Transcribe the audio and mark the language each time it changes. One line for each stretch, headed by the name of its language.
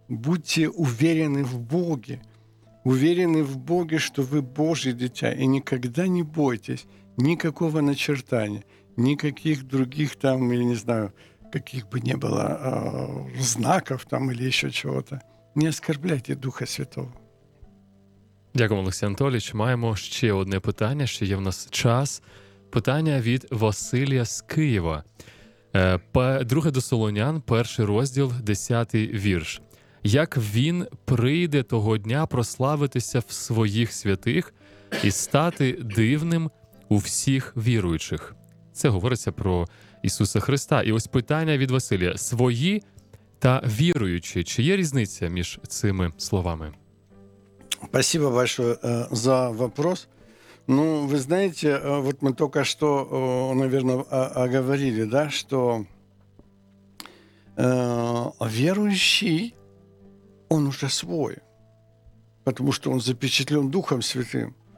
Russian: Будьте уверены в Боге. Уверены в Боге, что вы Божьи дитя, и никогда не бойтесь никакого начертания, никаких других там, я не знаю, каких бы ни было знаков там или еще чего-то. Не оскорбляйте Духа Святого».
Ukrainian: Дякуємо, Олексій Анатолійович. Маємо ще одне питання, ще є в нас час. Питання від Василія з Києва. Друге до Солонян, перший розділ, 10-й вірш. «Як він прийде того дня прославитися в своїх святих і стати дивним у всіх віруючих?» Це говориться про Ісуса Христа. І ось питання від Василія. «Свої та віруючі. Чи є різниця між цими словами?»
Russian: Спасибо большое за вопрос. Ну, вы знаете, вот мы только что, наверное, оговорили, да, что верующий, он уже свой, потому что он запечатлен Духом Святым.